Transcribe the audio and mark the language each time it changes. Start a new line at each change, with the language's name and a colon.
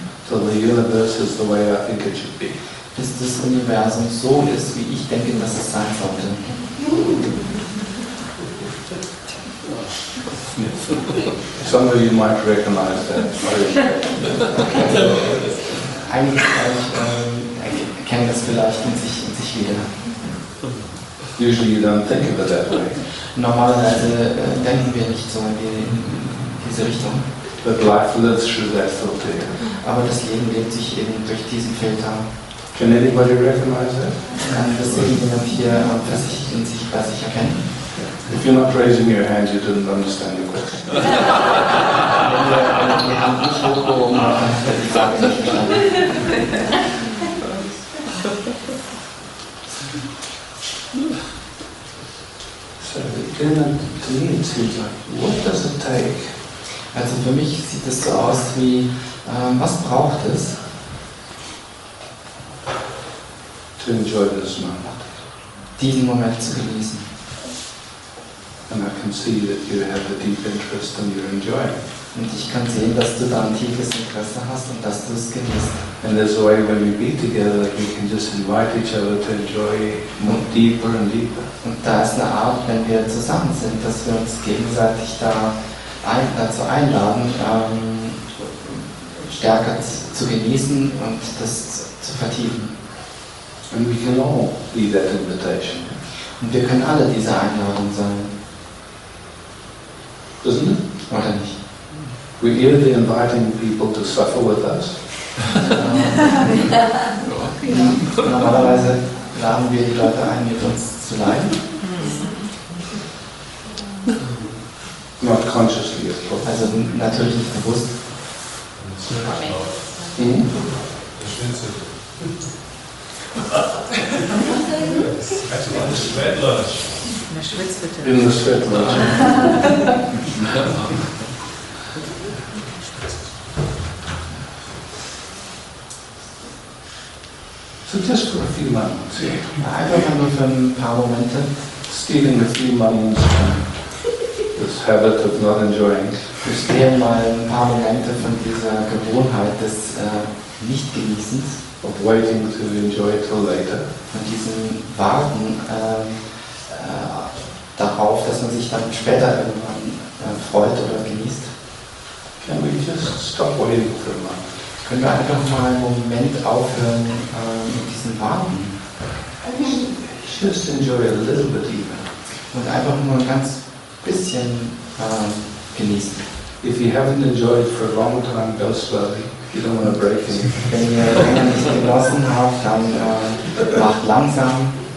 English: So the universe is the way I think it should be.
German: Bis das Universum so ist, wie ich denke, dass es sein sollte.
English: Some of you might recognize that.
German: Einige von euch kennen das vielleicht in sich wieder.
English: Usually you don't think of it that way.
German: Normalerweise denken wir nicht so in diese Richtung.
English: But life lives through that filter.
German: Aber das Leben lebt sich eben durch diesen Filter.
English: Can anybody recognize that?
German: Kann das irgendjemand hier in sich erkennen?
English: If you're not raising your hand, you didn't understand the question. So, then to me it seems like, what does it take?
German: Also für mich sieht es so aus wie, was braucht es?
English: To enjoy this moment.
German: Diesen Moment zu genießen.
English: And I can see that you have a deep interest and you're enjoying.
German: Und ich kann sehen, dass du da ein tiefes Interesse hast und dass du es genießt.
English: And there's a way when we be together that we can just invite each other to enjoy more deeper and deeper.
German: Und da ist eine Art, wenn wir zusammen sind, dass wir uns gegenseitig dazu einladen, stärker zu genießen und das zu vertiefen.
English: And we can all be that invitation.
German: Und wir können alle diese Einladung sein.
English: Isn't it?
German: Oder nicht?
English: We're really inviting people to suffer with us.
German: Normalerweise laden wir die Leute ein, mit uns zu leiden.
English: Not consciously, of course.
German: Also natürlich nicht bewusst.
English: In the sweat lodge. So just for a few moments.
German: Yeah. Einfach nur für ein paar Momente.
English: Stealing a few moments from this habit of not enjoying.
German: Wir stehlen mal ein paar Momente von dieser Gewohnheit des Nichtgenießens.
English: Of waiting to enjoy till later.
German: Von diesem Warten. Darauf, dass man sich dann später irgendwann freut oder genießt.
English: Can we just stop waiting for a moment?
German: Können wir einfach mal einen Moment aufhören mit diesem Warten?
English: Just enjoy a little bit even.
German: Und einfach nur ein ganz bisschen genießen.
English: If you haven't enjoyed for a long time, go slowly. You don't want to break it.
German: Wenn ihr länger nicht genossen habt, dann macht langsam.